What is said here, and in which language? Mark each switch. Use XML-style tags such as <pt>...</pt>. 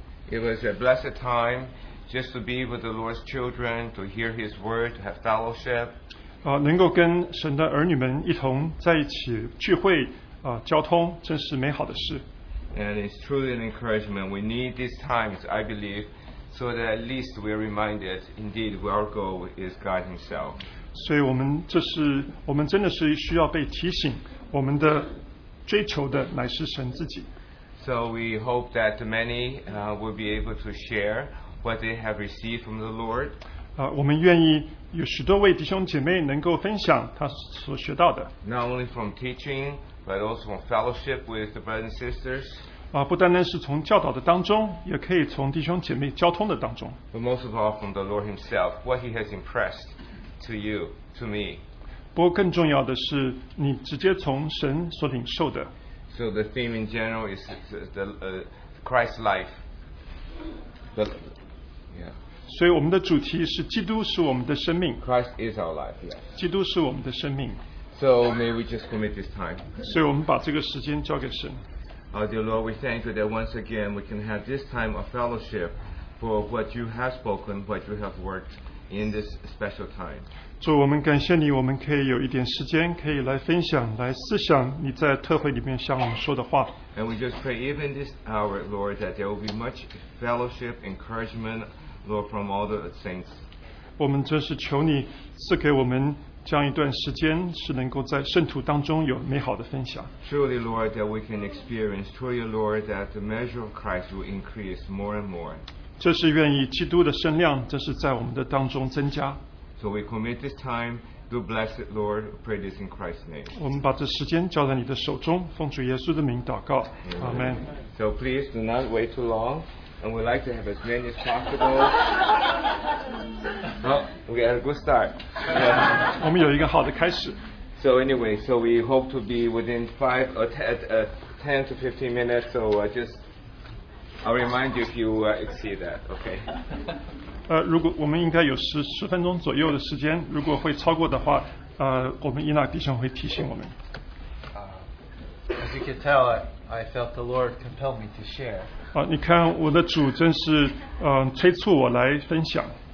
<en>It was a blessed time just to be with the Lord's children, to hear His word, to have fellowship.</en> <zh>能够跟神的儿女们一同在一起聚会，交通，真是美好的事。</zh> <en>And it's truly an encouragement. We need these times, I believe, so that at least we are reminded, indeed, our goal is God Himself.</en> <zh>所以我们这是，我们真的是需要被提醒，我们的追求的乃是神自己。</zh> <en>So we hope that many will be able to share what they have received from the Lord.</en> <zh>我们愿意有许多位弟兄姐妹能够分享他所学到的。</zh> <en>Not only from teaching, but also from fellowship with the brothers and sisters.</en> <zh>不单单是从教导的当中，也可以从弟兄姐妹交通的当中。</zh> <en>But most of all from the Lord Himself, what He has impressed to you, to me.</en> <zh>不过更重要的是，你直接从神所领受的。</zh> <en>So the theme in general is the Christ's life. The, yeah.</en> <zh>所以我们的主题是基督是我们的生命。</zh> <en>Christ is our life. Yeah.</en> <zh>基督是我们的生命。</zh> <en>So may we just commit this time.</en> <zh>所以我们把这个时间交给神。</zh> <en>Our dear Lord, we thank you that once again we can have this time of fellowship for what you have spoken, what you have worked in this special time.</en> <zh>主，我们感谢你，我们可以有一点时间可以来分享，来思想你在特会里面向我们说的话。</zh> <en>And we just pray even this hour, Lord, that there will be much fellowship, encouragement, Lord, from all the saints.</en> <zh>我们真是求你赐给我们这样一段时间，是能够在圣徒当中有美好的分享。</zh> <en>Truly, Lord, that we can experience, truly, Lord, that the measure of Christ will increase more and more.</en> <zh>这是愿意基督的身量，这是在我们的当中增加。</zh> <en>So we commit this time, do bless it, Lord, pray this in Christ's name.</en> <zh>我们把这时间交在你的手中，奉主耶稣的名祷告。</zh> <en>Amen. So please do not wait too long, and we'd like to have as many as possible. Oh, we had a good start.</en> <zh>我们有一个好的开始。</zh> <en>So anyway, so we hope to be within 10 to 15 minutes, so just, I'll remind you if you exceed that, okay?</en> <zh>如果我们应该有十分钟左右的时间，如果会超过的话，我们伊娜弟兄会提醒我们。</zh> <en>As you can tell, I felt the Lord compel me to share.</en> <zh>你看我的主真是催促我来分享。</zh>